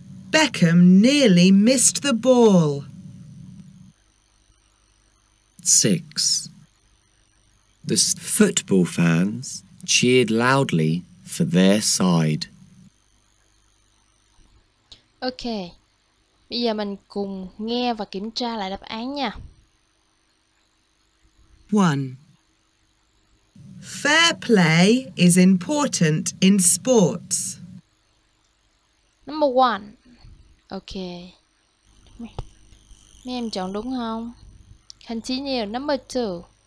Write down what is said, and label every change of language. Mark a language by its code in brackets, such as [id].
[en] Beckham nearly missed the ball. 6. The football fans cheered loudly for their side. Okay. [vi] Bây giờ mình cùng nghe và kiểm tra lại đáp án nha. [en] 1. Fair play is important in sports. Number 1. Okay. [vi] Mấy em chọn đúng không? [en] Continue. Number 2.